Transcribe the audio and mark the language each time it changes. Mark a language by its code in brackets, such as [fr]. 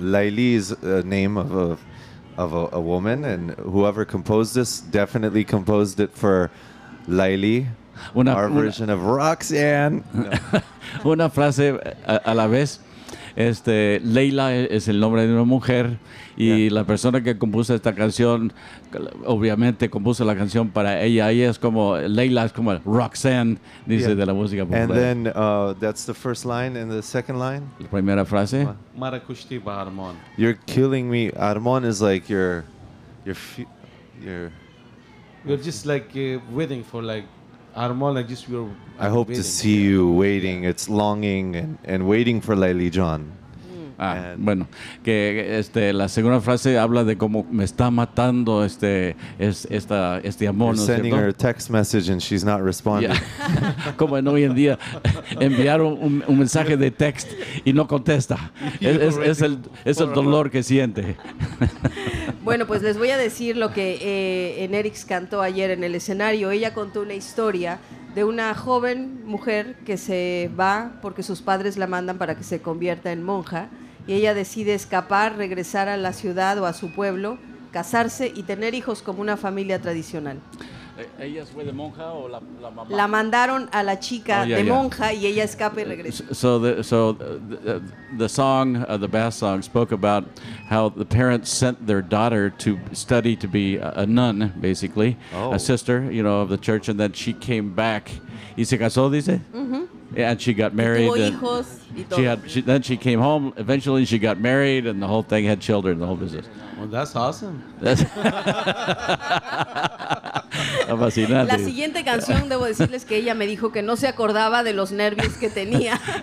[en] Laili is a name of a woman, and whoever composed this definitely composed it for Laili, version of Roxanne. [es] No. Una frase a la vez. Leila es el nombre de una mujer y la persona que compuso esta canción obviamente compuso la canción para ella y es como Leila es como Roxanne dice de la música popular. [en] And then that's the first line and the second line. [es] La primera frase. [fa] Mara kushti ba Armon. [en] You're killing me. Armon is like your you're just like waiting for like Armon, like just your I hope waiting. To see you waiting. It's longing and waiting for Laili John. Mm. [es] Ah, bueno, que la segunda frase habla de cómo me está matando este amor, ¿no es cierto? [en] Sending her a text message and she's not responding. Yeah. [es] Como en hoy en día, enviar un mensaje de text y no contesta. Es el dolor que siente. Bueno, pues les voy a decir lo que Enerix cantó ayer en el escenario. Ella contó una historia de una joven mujer que se va porque sus padres la mandan para que se convierta en monja, y ella decide escapar, regresar a la ciudad o a su pueblo, casarse y tener hijos como una familia tradicional. ¿Ella fue de monja o la mamá? La mandaron a la chica monja y ella escapa y regresa. [en] The Bass song spoke about how the parents sent their daughter to study to be a nun, basically, a sister, you know, of the church, and then she came back. [es] ¿Y se casó, dice? Mm-hmm. [en] And she got married. [es] Y tuvo hijos y todo. [en] Then she came home. Eventually, she got married, and the whole thing had children, the whole business. Well, that's awesome. [es] La siguiente canción, debo decirles que ella me dijo que no se acordaba de los nervios que tenía.